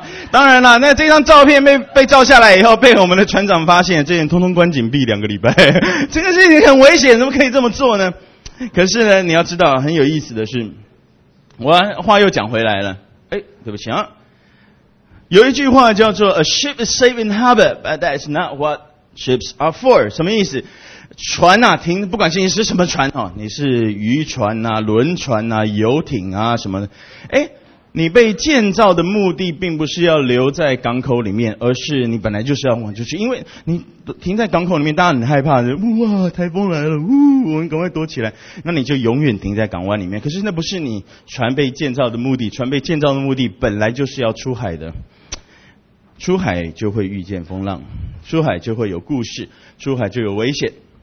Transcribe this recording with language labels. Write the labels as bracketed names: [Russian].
[Chinese] 当然啦，那这张照片被照下来以后，被我们的船长发现，这人通通关紧闭两个礼拜。这个事情很危险，怎么可以这么做呢？可是呢，你要知道，很有意思的是，我话又讲回来了。哎，对不起啊，有一句话叫做 [English] "A ship is safe in harbor, but that's not what ships are for." [Chinese] 什么意思？船啊，停，不管是你是什么船啊，你是渔船啊、轮船啊、游艇啊什么的，哎。你被建造的目的并不是要留在港口里面，而是你本来就是要往出去，因为你停在港口里面，大家很害怕，哇，台风来了，呜，我们赶快躲起来，那你就永远停在港湾里面。可是那不是你船被建造的目的，船被建造的目的本来就是要出海的，出海就会遇见风浪，出海就会有故事，出海就有危险。